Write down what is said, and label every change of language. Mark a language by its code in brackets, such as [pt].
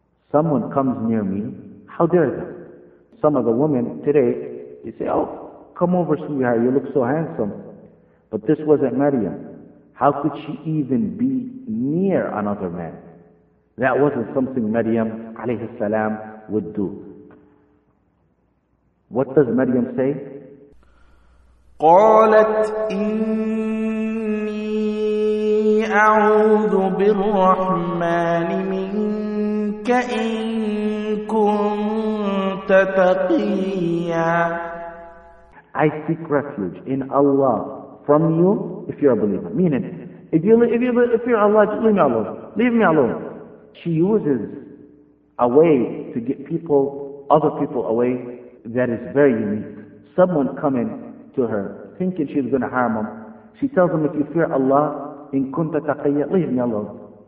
[en] Someone comes near me. How dare they? Some of the women today, they say, oh, come over, sweetheart, you look so handsome. But this wasn't Maryam. How could she even be near another man? That wasn't something Maryam, alayhi salam, would do. What does Maryam say? [ar] قالت إني أعوذ بالرحمن منك إن كنت تقيا. [en] I seek refuge in Allah from you if you're a believer. Meaning, if you're Allah, just leave me alone. Leave me alone. She uses a way to get people, other people away, that is very unique. Someone coming to her, thinking she's going to harm him. She tells him, if you fear Allah, [ar] in kunta taqiyya, [en] leave me alone.